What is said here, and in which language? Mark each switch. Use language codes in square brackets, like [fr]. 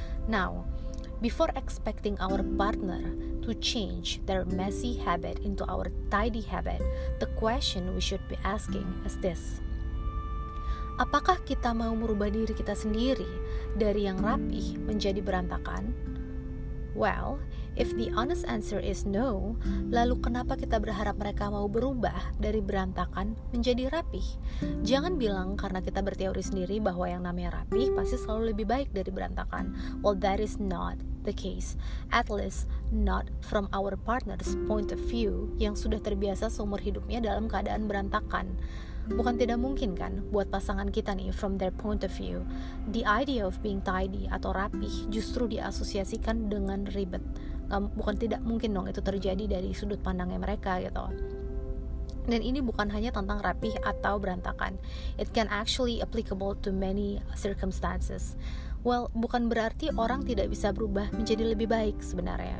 [en] Now, before expecting our partner to change their messy habit into our tidy habit, the question we should be asking is this: [id] apakah kita mau merubah diri kita sendiri dari yang rapih menjadi berantakan? [en] Well, if the honest answer is no, [id] lalu kenapa kita berharap mereka mau berubah dari berantakan menjadi rapih? Jangan bilang karena kita berteori sendiri bahwa yang namanya rapih pasti selalu lebih baik dari berantakan. [en] Well, that is not the case. At least not from our partner's point of view, [id] yang sudah terbiasa seumur hidupnya dalam keadaan berantakan. Bukan tidak mungkin kan buat pasangan kita nih, [en] from their point of view, the idea of being tidy [id] atau rapih justru diasosiasikan dengan ribet. Bukan tidak mungkin dong itu terjadi dari sudut pandangnya mereka gitu. Dan ini bukan hanya tentang rapih atau berantakan. [en] It can actually applicable to many circumstances. [id] Well, bukan berarti orang tidak bisa berubah menjadi lebih baik sebenarnya.